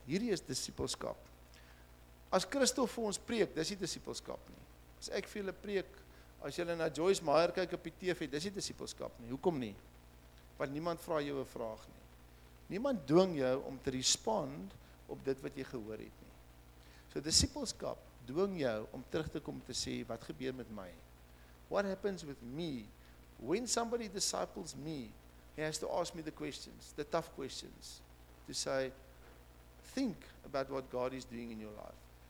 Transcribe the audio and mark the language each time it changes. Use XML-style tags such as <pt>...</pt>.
<af>Hierdie is disipelskap. As Christof vir ons preek, dis nie disipelskap nie. As ek vir julle preek, as julle na Joyce Meyer kyk op die TV, dis nie disipelskap nie. Hoekom nie? Want niemand vra jou 'n vraag nie. Niemand dwing jou om te respond op dit wat jy gehoor het nie. So discipleskap dwing jou om terug te kom te sê, wat gebeur met my?</af> <en>What happens with me? When somebody disciples me, he has to ask me the questions, the tough questions, to say, think about what God is doing in your life.</en>